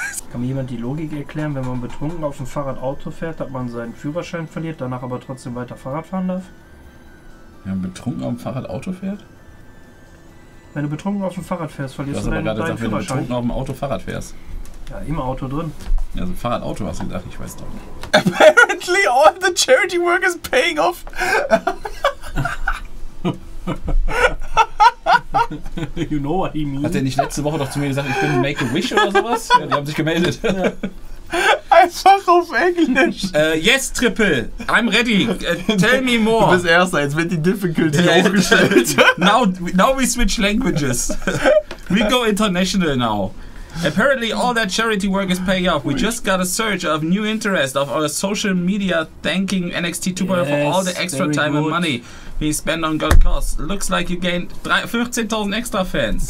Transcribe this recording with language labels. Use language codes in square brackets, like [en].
[de] Kann mir jemand die Logik erklären, wenn man betrunken auf dem Fahrrad Auto fährt, dass man seinen Führerschein verliert, danach aber trotzdem weiter Fahrrad fahren darf? Wenn man betrunken auf dem Fahrrad Auto fährt? Wenn du betrunken auf dem Fahrrad fährst, verlierst du deinen Führerschein. Wenn du betrunken auf dem Auto Fahrrad fährst. Ja, im Auto drin. Ja, so Fahrrad Auto hast du gedacht, ich weiß doch nicht. [en] Apparently all the charity work is paying off. You know what he means. [de] Hat der nicht letzte Woche doch zu mir gesagt, ich bin Make-A-Wish oder sowas? Ja, die haben sich gemeldet. Ja. Einfach auf Englisch. [en] Yes, Triple. I'm ready. Tell me more. [de] Du bist Erster. Jetzt wird die Difficulty hochgestellt. [en] Now we switch languages. We go international now. Apparently all that charity work is paying off. We just got a surge of new interest of our social media thanking NXT 2.0 yes, for all the extra time good. And money. We spend on good cause. Looks like you gained 14.000 extra fans.